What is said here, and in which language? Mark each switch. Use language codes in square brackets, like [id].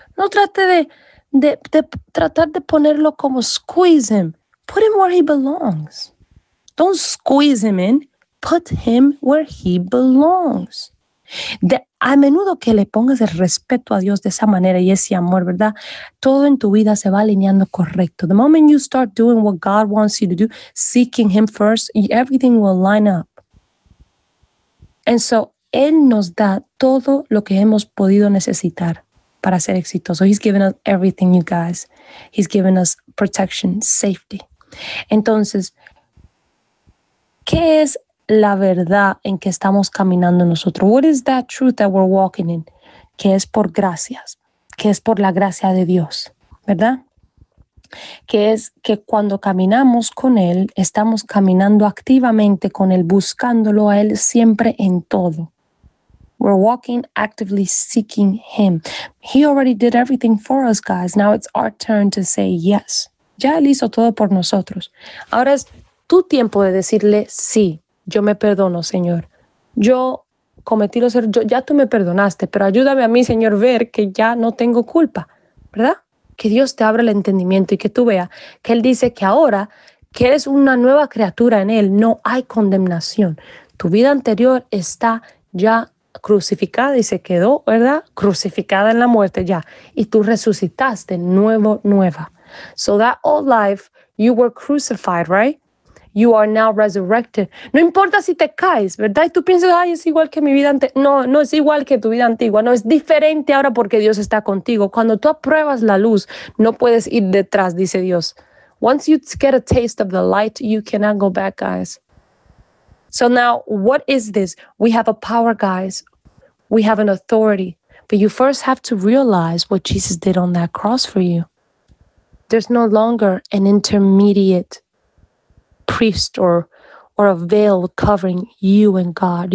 [es] No trate de tratar de ponerlo como [en] squeeze him. Put him where he belongs. Don't squeeze him in. Put him where he belongs. [es] A menudo que le pongas el respeto a Dios de esa manera y ese amor, ¿verdad? Todo en tu vida se va alineando correcto. [en] The moment you start doing what God wants you to do, seeking him first, everything will line up. [es] And so, Él nos da todo lo que hemos podido necesitar para ser exitoso. [en] He's given us everything, you guys. He's given us protection, safety. [es] Entonces, ¿qué es la verdad en que estamos caminando nosotros? [en] What is that truth that we're walking in? [es] Que es por gracias, que es por la gracia de Dios, ¿verdad? Que es que cuando caminamos con Él, estamos caminando activamente con Él, buscándolo a Él siempre en todo. [en] We're walking actively seeking him. He already did everything for us, guys. Now it's our turn to say yes. [es] Ya él hizo todo por nosotros. Ahora es tu tiempo de decirle sí. Yo me perdono, Señor. Yo cometí los errores. Ya tú me perdonaste, pero ayúdame a mí, Señor, ver que ya no tengo culpa. ¿Verdad? Que Dios te abra el entendimiento y que tú veas que Él dice que ahora que eres una nueva criatura en Él, no hay condenación. Tu vida anterior está ya crucificada y se quedó, ¿verdad? Crucificada en la muerte ya. Y tú resucitaste nuevo, nueva. [en] So that old life, you were crucified, right? You are now resurrected. [es] No importa si te caes, ¿verdad? Y tú piensas, ay, es igual que mi vida antigua. No, no es igual que tu vida antigua. No, es diferente ahora porque Dios está contigo. Cuando tú apruebas la luz, no puedes ir detrás, dice Dios. [en] Once you get a taste of the light, you cannot go back, guys. So now, what is this? We have a power, guys. We have an authority. But you first have to realize what Jesus did on that cross for you. There's no longer an intermediate priest or a veil covering you and God.